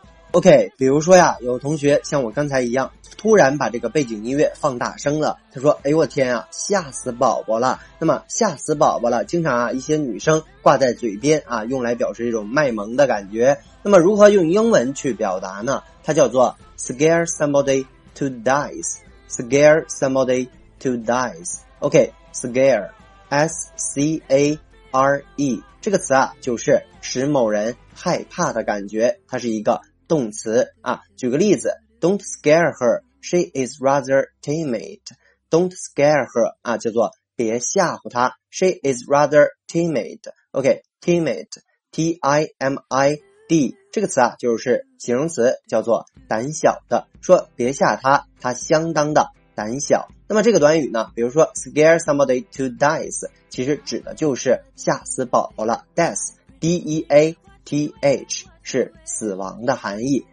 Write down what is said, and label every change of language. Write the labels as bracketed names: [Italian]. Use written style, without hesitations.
[Chinese] OK, 比如说呀，有同学像我刚才一样，突然把这个背景音乐放大声了，他说，哎我天啊，吓死宝宝了。那么吓死宝宝了，经常啊一些女生挂在嘴边啊，用来表示一种卖萌的感觉。那么如何用英文去表达呢？它叫做 scare somebody to dies, scare somebody to dies. OK, scare, S-C-A-R-E, 这个词啊就是使某人害怕的感觉，它是一个动词啊。 [English] 举个例子， Don't scare her, she is rather timid. Don't scare her, 啊叫做别吓唬她， she is rather timid. [Chinese] OK, timid, T-I-M-I-D, 这个词啊就是形容词，叫做胆小的，说别吓她，她相当的胆小。那么这个短语呢，比如说 scare somebody to dies, 其实指的就是吓死宝宝了， death, D-E-A-T-H,是死亡的含义。